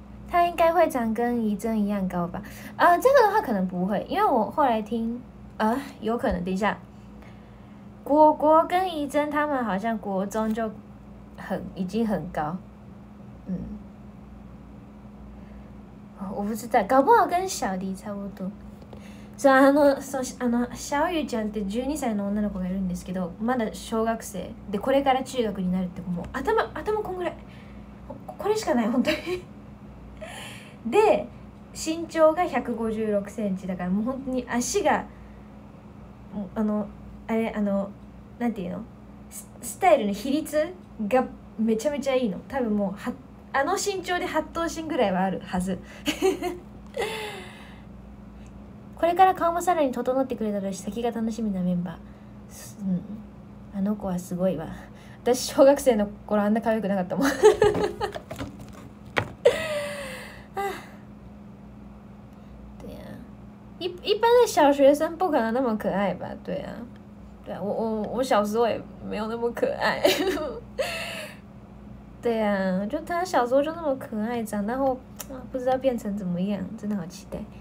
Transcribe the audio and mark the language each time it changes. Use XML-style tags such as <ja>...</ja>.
<zh>他应该会长跟怡真一样高吧？这个的话可能不会，因为我后来听，有可能。等一下，果果跟怡真他们好像国中就已经很高。嗯，我不知道，搞不好跟小迪差不多。</zh> <ja>そう、あの小雨ちゃんって12歳の女の子がいるんですけど、まだ小学生でこれから中学になるって子も、頭こんぐらい、これしかない本当に。で、身長が156センチだからもう本当に足が、なんていうの、スタイルの比率がめちゃめちゃいいの。多分もうあの身長で八頭身ぐらいはあるはず。これから顔もさらに整ってくれたら先が楽しみなメンバー、うん、あの子はすごいわ。私小学生の頃あんな可愛くなかったもん。</ja> <zh>对啊，一般的小学生不可能那么可爱吧？对啊，对啊，我小时候也没有那么可爱。对啊，就他小时候就那么可爱，长大后不知道变成怎么样，真的好期待。</zh>